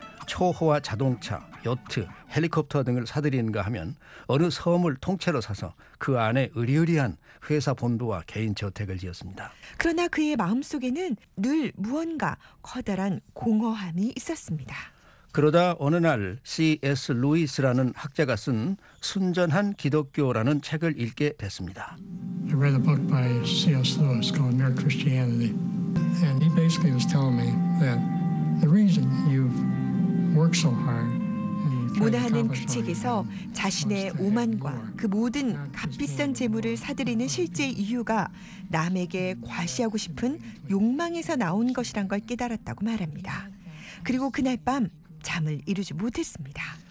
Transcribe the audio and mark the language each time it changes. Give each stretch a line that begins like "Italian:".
Korean: 초호화 자동차, 요트, 헬리콥터 등을 사들인가 하면 어느 섬을 통째로 사서 그 안에 으리으리한 회사 본부와 개인 저택을 지었습니다. 그러나 그의 마음속에는 늘 무언가 커다란 공허함이 있었습니다. 그러다 어느 날 C.S. 루이스라는 학자가 쓴 순전한 기독교라는 책을 읽게 됐습니다.
English: I read a book by C.S. Lewis called Mere Christianity. And he basically was telling me that the reason you've worked so hard
Korean: 모나한은 그 책에서 자신의 오만과 그 모든 값비싼 재물을 사들이는 실제 이유가 남에게 과시하고 싶은 욕망에서 나온 것이란 걸 깨달았다고 말합니다. 그리고 그날 밤 잠을 이루지 못했습니다.